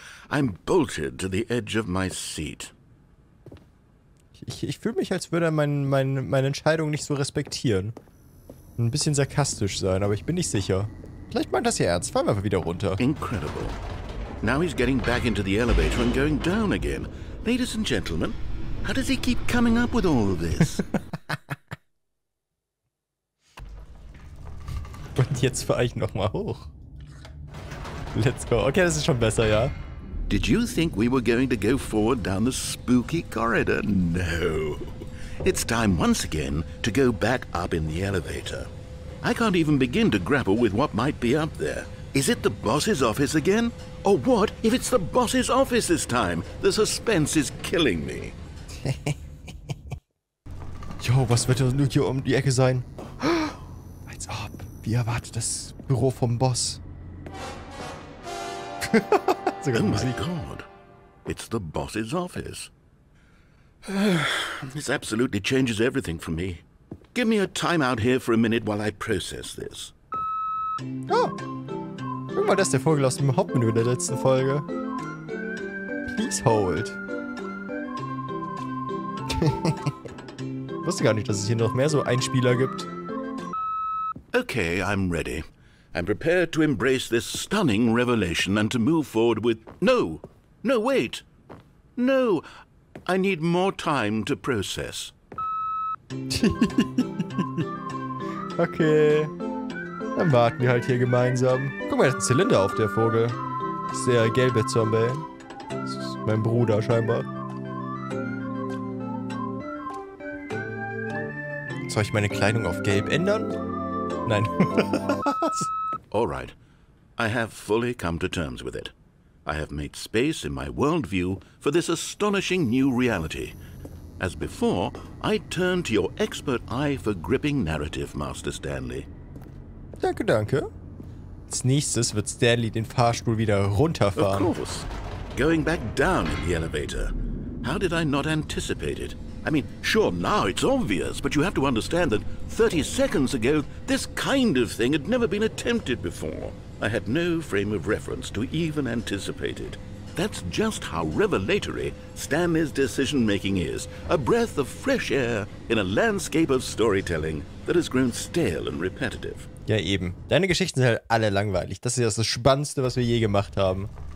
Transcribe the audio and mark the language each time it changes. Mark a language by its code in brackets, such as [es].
[en] I'm bolted to the edge of my seat. [de] Ich fühle mich, als würde er meine Entscheidung nicht so respektieren. Ein bisschen sarkastisch sein, aber ich bin nicht sicher. Vielleicht meint das ja ernst. Fahren wir einfach wieder runter. [en] Incredible. Now he's getting back into the elevator and going down again. Ladies and gentlemen, how does he keep coming up with all of this? [de] Und jetzt fahre ich nochmal hoch. [en] Let's go. [de] Okay, das ist schon besser, ja. [en] Did you think we were going to go forward down the spooky corridor? No. It's time once again to go back up in the elevator. I can't even begin to grapple with what might be up there. Is it the boss's office again? Or what if it's the boss's office this time? The suspense is killing me. [de] Jo, was wird denn hier um die Ecke sein? Als ob. Wie erwartet das Büro vom Boss? [en] Oh my God. It's the boss's office. This absolutely changes everything for me. Give me a time out here for a minute while I process this. Oh! [de] Guck mal, das ist der Vogel aus dem Hauptmenü der letzten Folge. [en] Please hold. [de] Ich wusste gar nicht, dass es hier noch mehr so Einspieler gibt. [en] Okay, I'm ready. I'm prepared to embrace this stunning revelation and to move forward with... No! No, wait! No! I need more time to process. [de] Okay. Dann warten wir halt hier gemeinsam. Guck mal, da ist ein Zylinder auf der Vogel. Das ist der gelbe Zombie. Das ist mein Bruder scheinbar. Soll ich meine Kleidung auf gelb ändern? Nein. [en] Alright. I have fully come to terms with it. I have made space in my worldview for this astonishing new reality. As before, I turn to your expert eye for gripping narrative, Master Stanley. [de] Danke, danke. Als nächstes wird Stanley den Fahrstuhl wieder runterfahren. [en] Of course. Going back down in the elevator. How did I not anticipate it? I mean, sure, now it's obvious, but you have to understand that 30 seconds ago, this kind of thing had never been attempted before. I had no frame of reference to even anticipate it. that's just how revelatory Stanley's decision-making is. A breath of fresh air in a landscape of storytelling that has grown stale and repetitive. [de] Ja, eben. Deine Geschichten sind halt alle langweilig. Das ist ja das Spannendste, was wir je gemacht haben.